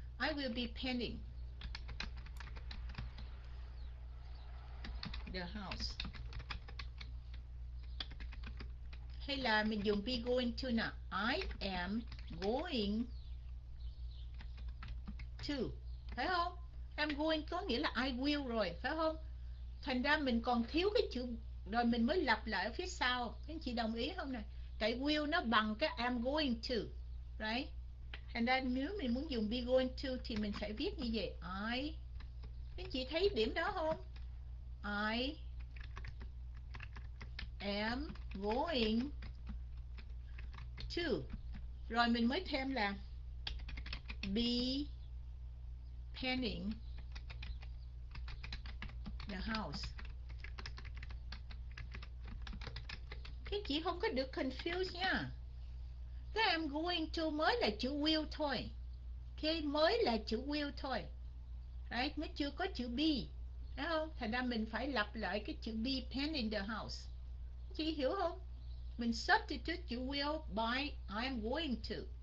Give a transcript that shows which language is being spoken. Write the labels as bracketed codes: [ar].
[en] I will be painting the house, [vi] hay là mình dùng [en] be going to [vi] nè, [en] I am going to, [vi] phải không? [en] I'm going [vi] có nghĩa là [en] I will [vi] rồi, phải không? Thành ra mình còn thiếu cái chữ, rồi mình mới lặp lại ở phía sau. Anh chị đồng ý không nè? Cái will nó bằng cái [en] I'm going to, right? [vi] Thành ra nếu mình muốn dùng be going to thì mình phải viết như vậy. I, anh chị thấy điểm đó không? [en] I am going to, [vi] rồi mình mới thêm là be [en] painting the house. [vi] Các chị không có được confused nha. Cái I'm going to mới là chữ will thôi. Okay, mới là chữ will thôi. Right, mới chưa có chữ be. Thấy không? Thành ra mình phải lặp lại cái chữ [en] be painting the house. [vi] Chị hiểu không? Mình substitute chữ will by [en] I'm going to.